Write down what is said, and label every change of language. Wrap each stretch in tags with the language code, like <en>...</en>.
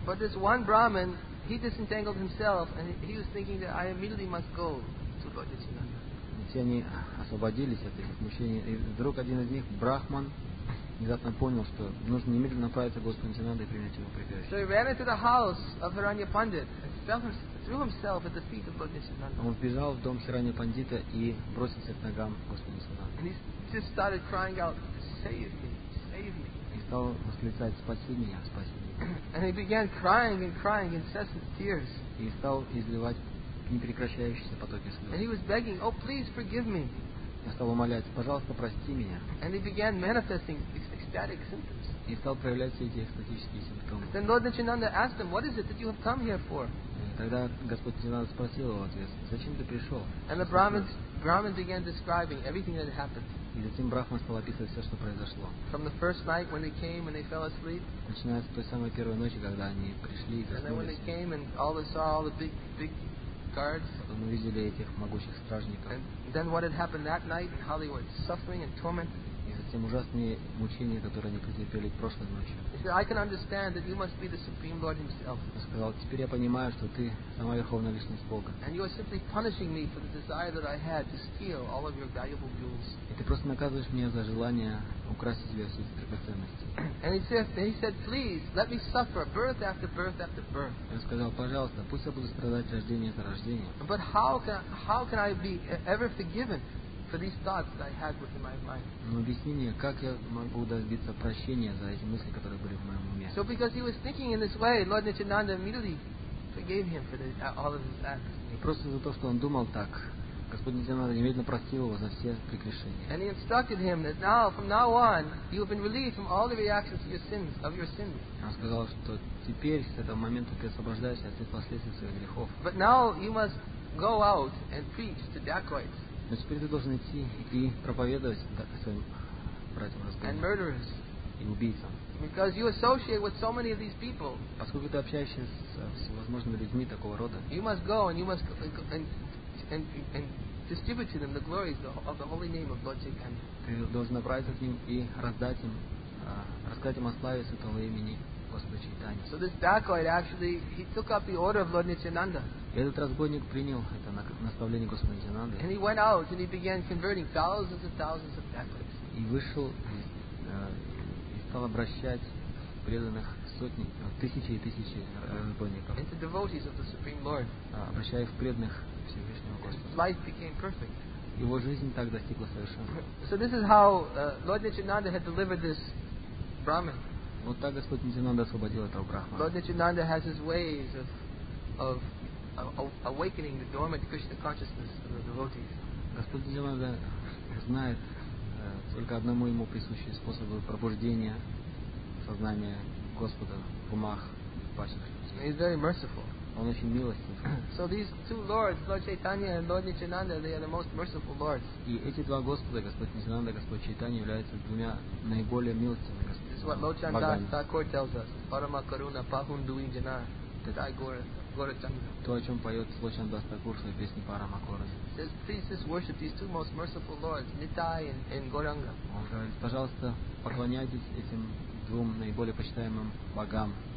<en>But this one Brahmin, he disentangled himself, and he was thinking that I immediately must go to Lord Nityananda.</en> <ru>Все они освободились от этих мучений, и вдруг один из них, Брахман, внезапно понял, что нужно немедленно направиться к Господу Нитьянанде и принять его прибежище.</ru> <en>So he ran into the house of Hiranya Pandit and threw himself at the feet of Lord Nityananda.</en> <ru>Он вбежал в дом Хиранья Пандита и бросился к ногам Господа Нитьянанды.</ru> <en>And he just started crying out, "Save me, save me!"</en> <ru>И стал восклицать, "Спаси меня, спаси меня!"</ru> <en>And he began crying and crying incessant tears.</en> <ru>И стал изливать непрекращающиеся потоки слез.</ru> <en>And he was begging, "Oh, please forgive me!"</en> <ru>Я стал умолять, пожалуйста, прости меня.</ru> <en>And he began manifesting these ecstatic symptoms.</en> <ru>И стал проявлять все эти экстатические симптомы.</ru> <en>Then Lord Nityananda asked him, "What is it that you have come here for?"</en> <ru>И тогда Господь Нитьянанда спросил его ответ: "Зачем ты пришел?"</ru> <en>And the Brahmin began describing everything that happened.</en> <ru>И затем Брахман стал описывать все, что произошло.</ru> <en>From the first night when they came and they fell asleep.</en> <ru>Начиная с той самой первой ночи, когда они пришли и заснули.</ru> <en>And when they came and all they saw all the big guards.</en> <ru>Потом мы видели этих могучих стражников.</ru> <en>Then what had happened that night and how they were suffering and tormented.</en> <ru>И затем ужасные мучения, которые они претерпели прошлой ночью.</ru> <en>He said, "I can understand that you must be the Supreme Lord Himself."</en> <ru>Он сказал, теперь я понимаю, что ты сама верховная личность Бога.</ru> <en>And you are simply punishing me for the desire that I had to steal all of your valuable jewels.</en> <ru>И ты просто наказываешь меня за желание украсть у тебя все эти драгоценности.</ru> <en>And he said, "Please let me suffer birth after birth after birth."</en> <ru>Он сказал, пожалуйста, пусть я буду страдать рождение за рождение.</ru> <en>But how can I be ever forgiven for these thoughts that I had within my mind?</en> <ru>Но объясни мне, как я могу добиться прощения за эти мысли, которые были в моем уме?</ru> <en>So because he was thinking in this way, Lord Nityananda immediately forgave him for all of his acts.</en> <ru>И просто за то, что он думал так, Господь Нитьянанда немедленно простил его за все прегрешения.</ru> <en>And he instructed him that now, from now on, you have been relieved from all the reactions of your sins.</en> <ru>Он сказал, что теперь с этого момента ты освобождаешься от всех последствий своих грехов.</ru> <en>But now you must go out and preach to dacoits.</en> <ru>Но теперь ты должен идти и проповедовать своим братьям разбойникам.</ru> <en>And murderers.</en> <ru>И убийцам.</ru> <en>Because you associate with so many of these people.</en> <ru>Поскольку ты общаешься с всевозможными людьми такого рода.</ru> <en>You must go and you must and distribute to them the glories of the holy name of Lord Chaitanya.</en> <ru>Ты должен направиться к ним и раздать им, рассказать им о славе Святого Имени Господа Чайтанья.</ru> <en>So this dacoit actually he took up the order of Lord Nityananda.</en> <ru>Этот разбойник принял это наставление Господа Нитянанды.</ru> <en>And he went out and he began converting thousands and thousands of dacoits.</en> <ru>И вышел и стал обращать преданных сотни, тысячи и тысячи разбойников.</ru> <en>Into devotees of the Supreme Lord.</en> <ru>Обращая их преданных Всевышнего Господа.</ru> <en>His life became perfect.</en> <ru>Его жизнь так достигла совершенства.</ru> <en>So this is how Lord Nityananda had delivered this Brahmin.</en> <ru>Вот так Господь Нитянанда освободил этого Брахмана.</ru> <en>Lord Nityananda has his ways of awakening the dormant Krishna consciousness of the devotees.</en> <ru>Господь Нитянанда знает только одному ему присущие способы пробуждения сознания Господа в умах ваших людей.</ru> <en>He's very merciful.</en> <ru>Он очень милостив.</ru> <en>So these two lords, Lord Chaitanya and Lord Nityananda, they are the most merciful lords.</en> <ru>И эти два господа, Господь Нитянанда и Господь Чайтанья, являются двумя наиболее милостивыми господами.</ru> <en>This is what Lord Chandas Thakur tells us.</en> <bn>Parama Karuna Pahun Dui Jana Tadai Gora Chandra.</bn> <ru>То, о чем поет Lord Chandas Thakur в своей песне Parama Kora.</ru> <en>Says, please just worship these two most merciful lords, Nitai and Goranga.</en> <ru>Он говорит, пожалуйста, поклоняйтесь этим двум наиболее почитаемым богам.</ru>